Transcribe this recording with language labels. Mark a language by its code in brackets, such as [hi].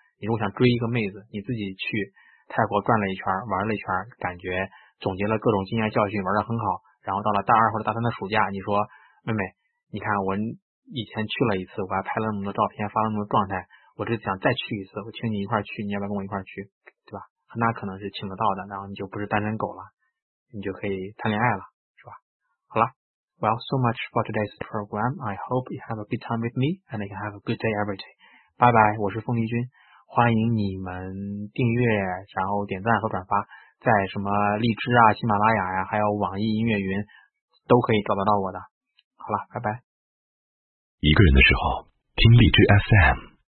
[zh] 你如果想追一个妹子，你自己去泰国转了一圈玩了一圈，感觉总结了各种经验教训玩得很好，然后到了大二或者大三的暑假，你说妹妹你看我以前去了一次，我还拍了那么多照片发了那么多状态，我就想再去一次，我请你一块去，你要不要跟我一块去，对吧？很大可能是请得到的，然后你就不是单身狗了，你就可以谈恋爱了，是吧？好了。 [en] Well, so much for today's program. I hope you have a good time with me and you have a good day every day. Bye bye, [zh] 我是凤丽君。欢迎你们订阅，然后点赞和转发，在什么荔枝啊、喜马拉雅啊，还有网易音乐云都可以找得到我的。好了，拜拜。一个人的时候，听荔枝 FM。